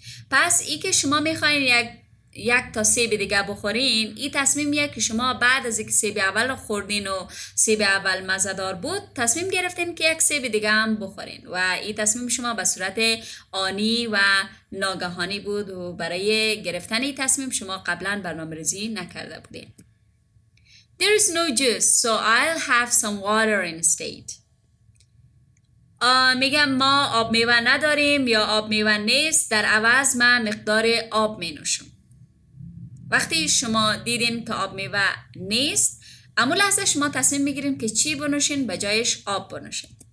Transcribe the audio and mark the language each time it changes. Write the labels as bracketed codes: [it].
[fa] پس ای که شما میخواین یک تا سیب دیگه بخورین، این تصمیمیه که شما بعد از اینکه سیب اول رو خوردین و سیب اول مزه‌دار بود، تصمیم گرفتین که یک سیب دیگه هم بخورین و این تصمیم شما به صورت آنی و ناگهانی بود و برای گرفتن این تصمیم شما قبلا برنامه‌ریزی نکرده بودین. [en] There is no juice, so I'll have some water instead. [fa] میگم ما آب میوه نداریم یا آب میوه نیست، در عوض من مقدار آب می نوشم. وقتی شما دیدین که آب میوه نیست، اما لحظه شما تصمیم میگیریم که چی بنوشین به جایش آب بنوشین.